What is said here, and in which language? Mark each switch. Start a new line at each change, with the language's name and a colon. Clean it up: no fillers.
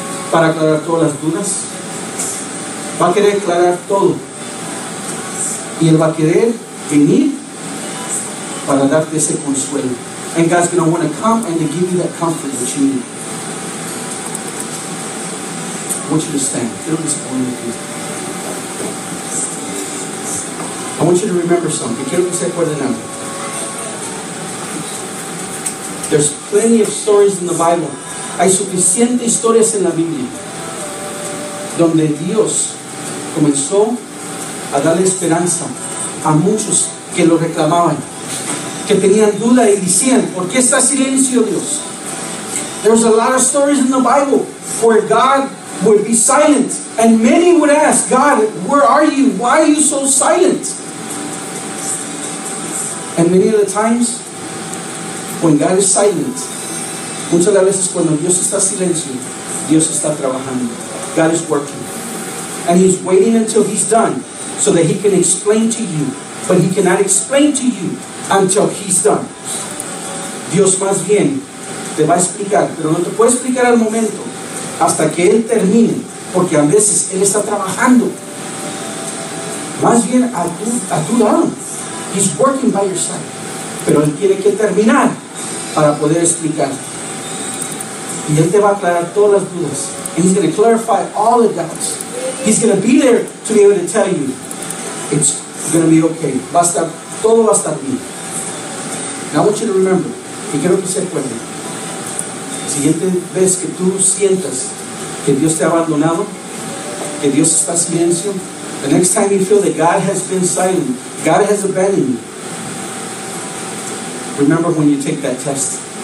Spanish: Para aclarar todas las dudas, va a querer aclarar todo. Y él va a querer venir para darte ese consuelo.
English: And God's going to want to come and to give you that comfort that you need. I want you to stand.
Spanish: Quiero que se ponga aquí.
English: I want you to remember something.
Spanish: Quiero que se acuerden algo.
English: There's plenty of stories in the Bible.
Spanish: Hay suficientes historias en la Biblia donde Dios comenzó a darle esperanza a muchos que lo reclamaban, que tenían duda y decían, ¿por qué está silencio Dios?
English: There's a lot of stories in the Bible where God would be silent and many would ask, God, where are you? Why are you so silent? And many of the times, when God is silent,
Spanish: muchas de las veces cuando Dios está silencio, Dios está trabajando.
English: God is working. And he's waiting until he's done so that he can explain to you. But he cannot explain to you until he's done.
Spanish: Dios más bien te va a explicar, pero no te puede explicar al momento hasta que él termine, porque a veces él está trabajando. Más bien a tu lado.
English: He's working by your side.
Spanish: Pero él tiene que terminar para poder explicar. Y él te va a aclarar todas las dudas.
English: And he's going to clarify all the doubts. He's going to be there to be able to tell you it's going to be okay.
Spanish: Va a estar, todo va a estar bien.
English: Now I want you to remember,
Spanish: y quiero que se acuerde, la siguiente vez que tú sientas que Dios te ha abandonado, que Dios está en silencio,
English: the next time you feel that God has been silent, God has abandoned you, remember when you take that test.